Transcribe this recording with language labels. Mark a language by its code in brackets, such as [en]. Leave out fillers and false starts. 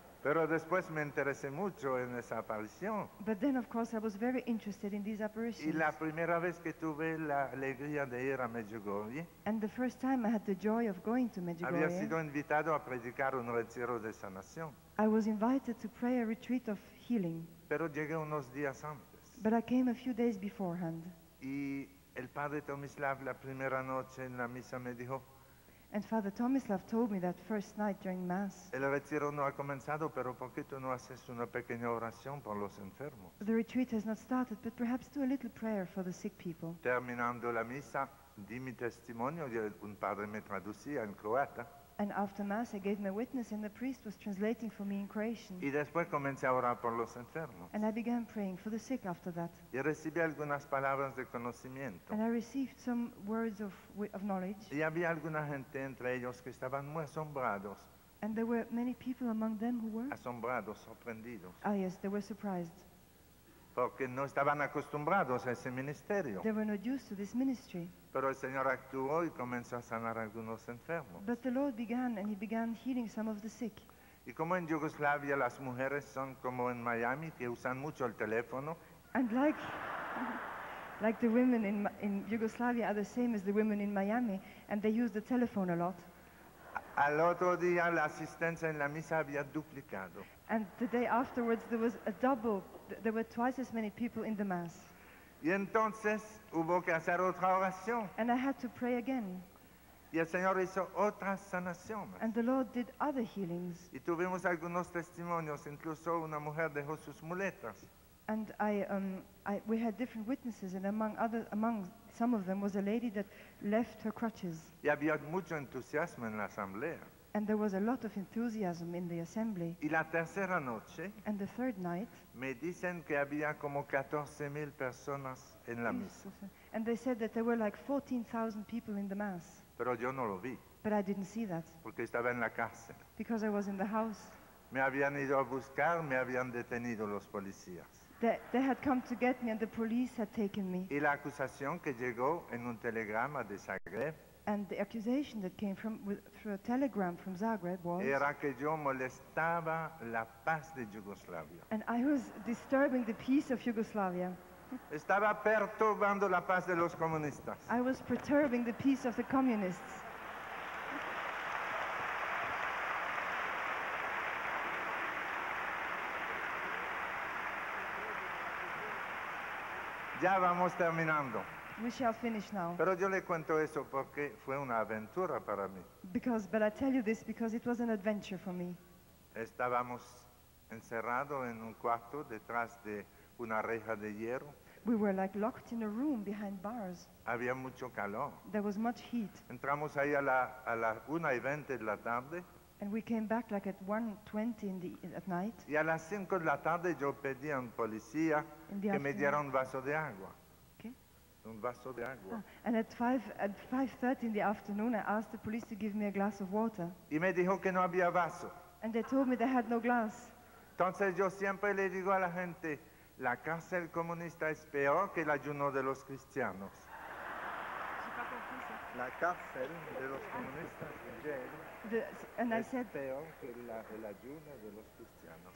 [es] Pero después me interesé mucho en esa aparición. [en] But then, of course, I was very interested in these apparitions. [es] Y la primera vez que tuve la alegría de ir a Medjugorje. [en] And the first time I had the joy of going to Medjugorje. [es] Había sido invitado a predicar un retiro de sanación. [en] I was invited to pray a retreat of healing. [es] Pero llegué unos días antes. [en] But I came a few days beforehand. [es] Y el padre Tomislav la primera noche en la misa me dijo. [en] And Father Tomislav told me that first night during Mass. [es] El retiro no ha comenzado, pero ¿por qué tú no haces una pequeña oración por los enfermos? [en] The retreat has not started, but perhaps do a little prayer for the sick people. [es] Terminando la misa, di mi testimonio y un padre me traducía en croata. [en] And after Mass, I gave my witness and the priest was translating for me in Croatian. [es] Y después comencé a orar por los enfermos. [en] And I began praying for the sick after that. [es] Y recibí algunas palabras de conocimiento. [en] And I received some words of knowledge. [es] Y había alguna gente entre ellos que estaban muy asombrados. [en] And there were many people among them who were [es] asombrados, sorprendidos. [en] Ah, yes, they were surprised. [es] Porque no estaban acostumbrados a ese ministerio. [en] They were not used to this ministry. [es] Pero el Señor actuó y comenzó a sanar a algunos enfermos. [en] But the Lord began and he began healing some of the sick. [es] Y como en Yugoslavia las mujeres son como en Miami, que usan mucho el teléfono. [en] And like the women in Yugoslavia are the same as the women in Miami, and they use the telephone a lot. [es] Al otro día la asistencia en la misa había duplicado. [en] And the day afterwards there was a double, there were twice as many people in the Mass. [es] Y entonces hubo que hacer otra oración. [en] And I had to pray again. [es] Y el Señor hizo otras sanaciones. [en] And the Lord did other healings. [es] Y tuvimos algunos testimonios, incluso una mujer dejó sus muletas. [en] And we had different witnesses, and among some of them was a lady that left her crutches. [es] Y había mucho entusiasmo en la asamblea. [en] And there was a lot of enthusiasm in the assembly. [es] Y la tercera noche, [en] and the third night, [es] me dicen que había como 14,000 personas en la misa. [en] And they said that there were like 14,000 people in the Mass. [es] Pero yo no lo vi. [en] But I didn't see that. [es] Porque estaba en la cárcel. [en] Because I was in the house. [es] Me habían ido a buscar, me habían detenido los policías. [en] They had come to get me and the police had taken me. [es] Y la acusación que llegó en un telegrama de Zagreb. [en] And the accusation that came through a telegram from Zagreb was. [es] Era que yo molestaba la paz de Yugoslavia. [en] And I was disturbing the peace of Yugoslavia. [es] Estaba perturbando la paz de los comunistas. [en] I was perturbing the peace of the communists. [es] Ya vamos terminando. [en] We shall finish now. [es] Pero yo le cuento eso porque fue una aventura para mí. [en] But I tell you this because it was an adventure for me. [es] Estábamos encerrados en un cuarto detrás de una reja de hierro. [en] We were like locked in a room behind bars. [es] Había mucho calor. [en] There was much heat. [es] Entramos ahí a la 1:20 de la tarde. [en] And we came back like at 1:20 at night. [es] Y a las 5 de la tarde yo pedí a un policía que me diera un vaso de agua. Un vaso de agua. [en] Ah, and at 5:30 in the afternoon, I asked the police to give me a glass of water. [es] Y me dijo que no había vaso. [en] And they told me they had no glass. [es] Entonces yo siempre le digo a la gente, la cárcel comunista es peor que el ayuno de los cristianos. La cárcel de los comunistas es peor que el ayuno de los cristianos.